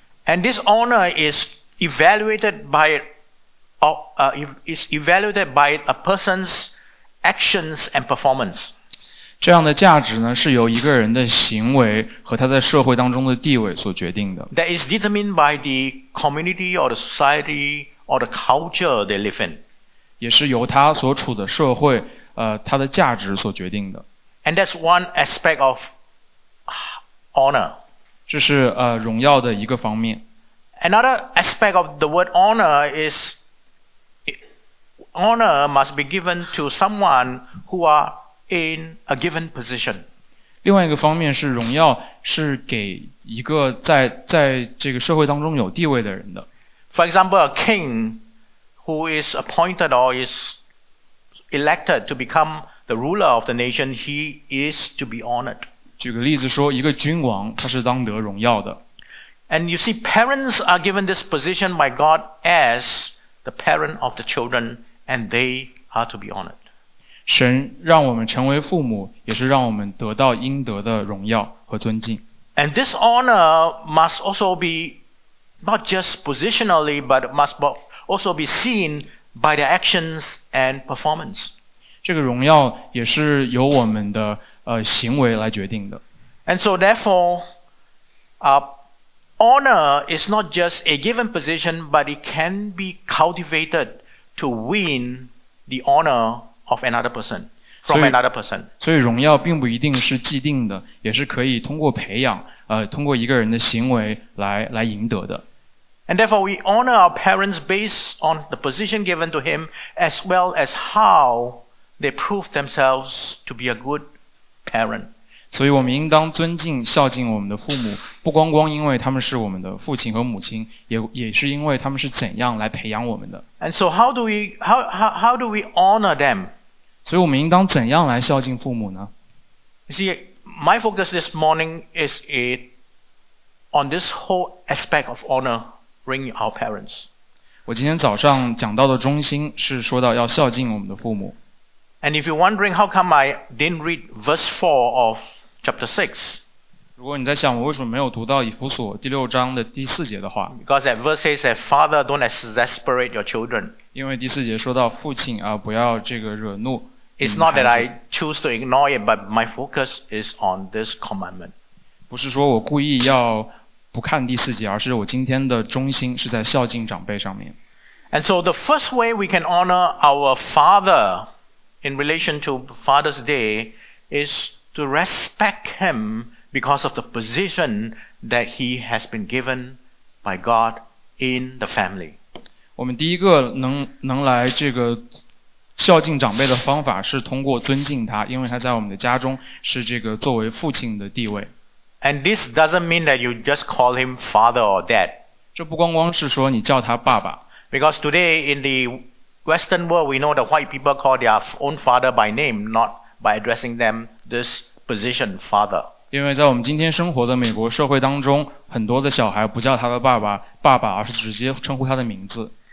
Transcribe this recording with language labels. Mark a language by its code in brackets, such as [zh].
[en] And this honor is evaluated by a person's actions and performance. [zh] 这样的价值呢，是由一个人的行为和他在社会当中的地位所决定的。 [en] That is determined by the community or the society or the culture they live in. [zh] 也是由他所处的社会，他的价值所决定的。 [en] And that's one aspect of honor. [zh] 这是荣耀的一个方面。 [en] Another aspect of the word honor is. Honor must be given to someone who are in a given position. [zh] 另外一个方面是荣耀是给一个在这个社会当中有地位的人的。 [en] For example, a king who is appointed or is elected to become the ruler of the nation, he is to be honored. [zh] 举个例子说，一个君王他是当得荣耀的。 [en] And you see, parents are given this position by God as the parent of the children. And they are to be honored. [zh] 神让我们成为父母，也是让我们得到应得的荣耀和尊敬。 [en] And this honor must also be not just positionally, but must also be seen by their actions and performance. [zh] 这个荣耀也是由我们的行为来决定的。 [en] And so therefore, honor is not just a given position, but it can be cultivated. To win the honor of another person from another person. [zh] 所以荣耀并不一定是既定的，也是可以通过培养，通过一个人的行为来赢得的。 [en] And therefore, we honor our parents based on the position given to him, as well as how they prove themselves to be a good parent. [zh] 所以我们应当尊敬、孝敬我们的父母，不光光因为他们是我们的父亲和母亲，也是因为他们是怎样来培养我们的。 [en] And so how do we honor them? [zh] 所以我们应当怎样来孝敬父母呢？ [en] You see, my focus this morning is on this whole aspect of honoring our parents. [zh] 我今天早上讲到的中心是说到要孝敬我们的父母。 [en] And if you're wondering how come I didn't read verse 4 of chapter 6, [zh] 如果你在想我为什么没有读到以弗所第六章的第四节的话， [en] Because that verse says that father don't exasperate your children. [zh] 因为第四节说到父亲不要这个惹怒。 [en] It's not that I choose to ignore it, but my focus is on this commandment. [zh] 不是说我故意要不看第四节，而是我今天的中心是在孝敬长辈上面。 [en] And so the first way we can honor our father in relation to Father's Day is to respect him because of the position that he has been given by God in the family. [zh] 我们第一个能来这个孝敬长辈的方法是通过尊敬他，因为他在我们的家中是这个作为父亲的地位。 [en] And this doesn't mean that you just call him father or dad. [zh] 这不光光是说你叫他爸爸。 [en] Because today in the Western world, we know that white people call their own father by name, not by addressing them this position, father. [zh] 因为在我们今天生活的美国社会当中，很多的小孩不叫他的爸爸，而是直接称呼他的名字。